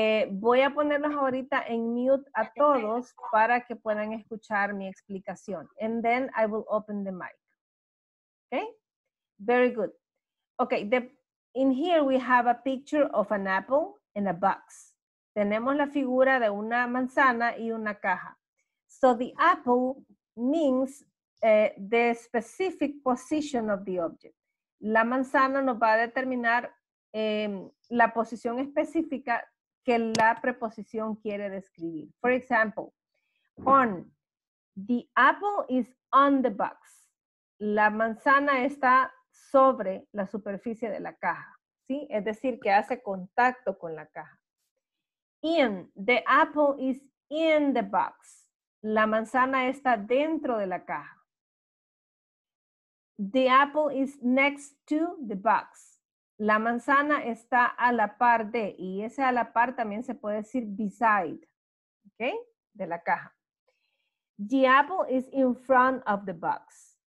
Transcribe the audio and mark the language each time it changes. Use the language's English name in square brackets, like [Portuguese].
[Spanish] Voy a ponerlos ahorita en mute a todos para que puedan escuchar mi explicación. [English] And then I will open the mic. Ok, very good. Ok, in here we have a picture of an apple in a box. [Spanish] Tenemos la figura de una manzana y una caja. [English] So the apple means the specific position of the object. [Spanish] La manzana nos va a determinar la posición específica que la preposición quiere describir. [English] For example, on. The apple is on the box. [Spanish] La manzana está sobre la superficie de la caja. ¿Sí? Es decir, que hace contacto con la caja. [English] In, the apple is in the box. [Spanish] La manzana está dentro de la caja. [English] The apple is next to the box. [Spanish] La manzana está a la par de, y ese a la par también se puede decir beside, ¿okay? De la caja. [English] The apple is in front of the box.